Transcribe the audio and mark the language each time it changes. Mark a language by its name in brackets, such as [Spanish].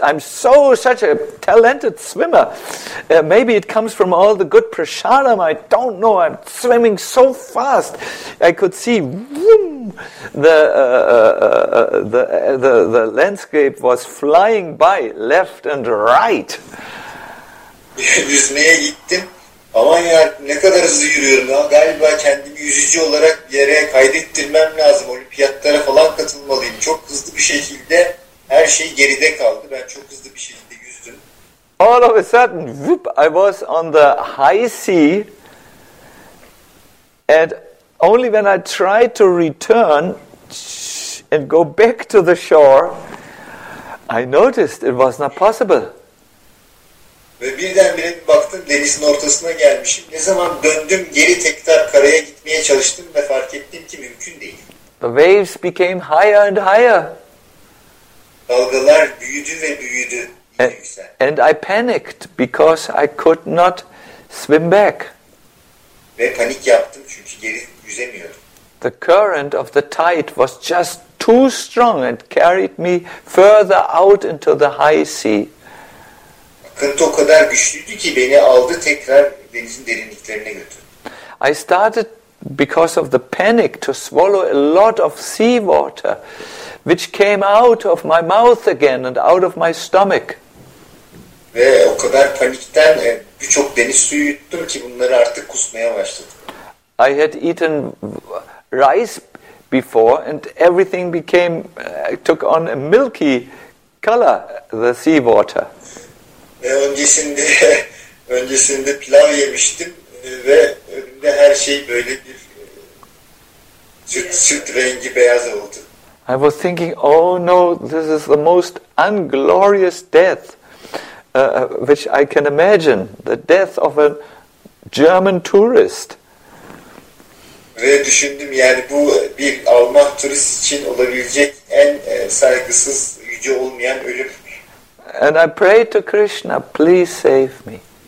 [English] I'm such a talented swimmer. Maybe it comes from all the good prashanam. I don't know. I'm swimming so fast. I could see, whoom, the landscape was flying by left and right. [Turkish] Yüzmeye gittim. Aman ya, ne kadar hızlı yürüyorum ya. Galiba kendimi yüzücü olarak bir yere kaydettirmem lazım. Olimpiyatlara falan katılmalıyım. Çok hızlı bir şekilde her şey geride kaldı. Ben çok hızlı bir şekilde yüzdüm. [English] All of a sudden, whoop, I was on the high sea. And only when I tried to return and go back to the shore, I noticed it was not possible. [Turkish] Ve birdenbire bir baktım denizin ortasına gelmişim. Ne zaman döndüm geri tekrar karaya gitmeye çalıştım ve fark ettim ki mümkün değil. [English] The waves became higher and higher. [Turkish] Dalgalar büyüdü ve büyüdü. [English] And I panicked because I could not swim back. [Turkish] Ve panik yaptım çünkü geri yüzemiyordum. [English] The current of the tide was just too strong and carried me further out into the high sea. [Turkish] Akıntı o kadar güçlüydü ki beni aldı tekrar denizin derinliklerine götürdü. [English] I started because of the panic to swallow a lot of seawater, which came out of my mouth again and out of my stomach. [Turkish] Ve o kadar panikten birçok deniz suyu yuttum ki bunları artık kusmaya başladım. [English] I had eaten rice before and everything became took on a milky color, the seawater. [Turkish] Öncesinde pilav yemiştim ve önümde her şey böyle bir süt rengi beyaz oldu. [English] I was thinking, oh no, this is the most unglorious death. Which I can imagine, the death of a German tourist. [Turkish] Ve düşündüm yani bu bir Alman turist için olabilecek en saygısız, yüce olmayan ölüm. [English] And I prayed to Krishna, please save me.